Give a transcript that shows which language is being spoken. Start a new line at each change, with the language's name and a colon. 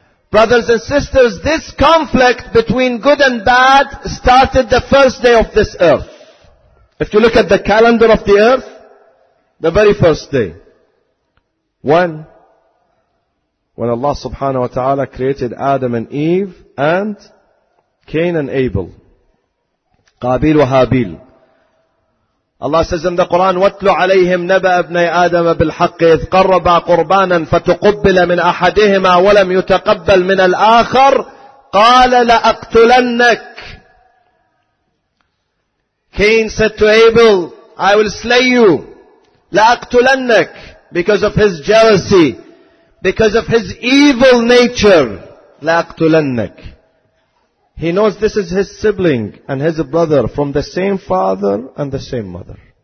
English: Brothers and sisters, this conflict between good and bad started the first day of this earth. If you look at the calendar of the earth, the very first day. When Allah subhanahu wa ta'ala created Adam and Eve and Cain and Abel.
Arabic: Qabil wa Habil.
English: Allah says in the Quran,
Arabic: وَاتْلُ عَلَيْهِمْ نَبَأَ ابْنَيْ آدَمَ بِالْحَقِّ إِذْ قَرَّبَا قُرْبَانًا فَتُقُبِّلَ مِنْ أَحَدِهِمَا وَلَمْ يُتَقَبَّلْ مِنَ الْآخَرِ قَالَ لَأَقْتُلَنَّكَ.
English: Cain said to Abel, I will slay you.
Arabic: لَأَقْتُلَنَّكَ.
English: Because of his jealousy. Because of his evil nature.
Arabic: لَأَقْتُلَنَّكَ.
English: He knows this is his sibling and his brother from the same father and the same mother.